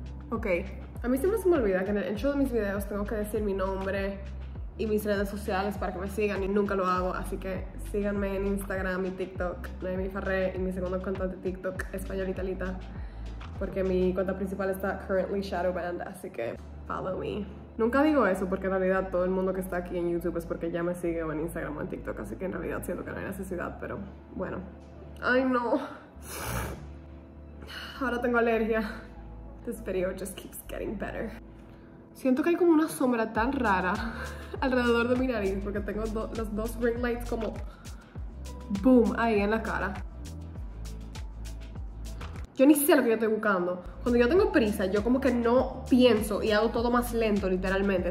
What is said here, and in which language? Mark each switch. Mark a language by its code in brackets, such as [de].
[es] Ok, a mí siempre se me olvida que en el intro de mis videos tengo que decir mi nombre y mis redes sociales para que me sigan, y nunca lo hago, así que síganme en Instagram y TikTok, Noemi Farré, y mi segundo cuenta de TikTok, Españolitalita, porque mi cuenta principal está [en] currently shadow banned, [es] así que [en] follow me. [es] Nunca digo eso porque en realidad todo el mundo que está aquí en YouTube es porque ya me sigue, o en Instagram o en TikTok, así que en realidad siento que no hay necesidad, pero bueno. Ay no, ahora tengo alergia. [en] This video just keeps getting better. [es] Siento que hay como una sombra tan rara alrededor de mi nariz porque tengo los dos ring lights como boom ahí en la cara. Yo ni sé lo que yo estoy buscando. Cuando yo tengo prisa, yo como que no pienso y hago todo más lento, literalmente.